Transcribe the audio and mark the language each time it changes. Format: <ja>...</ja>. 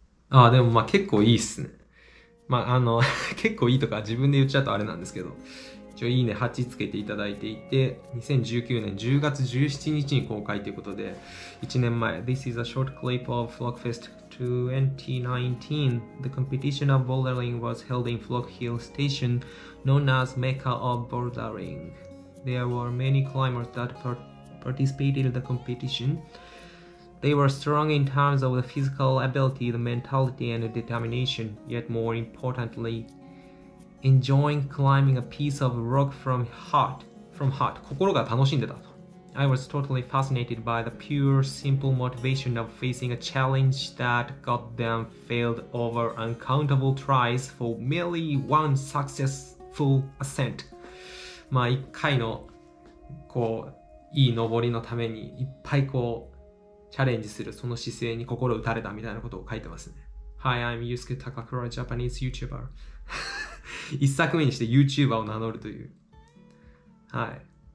<ja>ああ、でもまあ結構いいっすね。まあ結構いいとか自分で言っちゃうとあれなんですけど、一応いいね8つけていただいていて、2019年10月17日に公開ということで、1年前。</ja> <en>This is a short clip of Flockfest 2019. The competition of bouldering was held in Flock Hill Station, known as Mecca of Bouldering. There were many climbers that participated in the competition. They were strong in terms of the physical ability, the mentality, and the determination. Yet more importantly, enjoying climbing a piece of rock from heart.</en> <ja>心が楽しんでたと。</ja> <en>I was totally fascinated by the pure, simple motivation of facing a challenge that got them failed over uncountable tries for merely one successful ascent.</en> <ja>まあ、一回の、こう、いい登りのために、いっぱいこう、チャレンジする、その姿勢に心打たれたみたいなことを書いてますね。</ja> <en>Hi, I'm Yusuke Takakura, Japanese YouTuber.</en> <ja>一作目にして YouTuber を名乗るという。はい。</ja>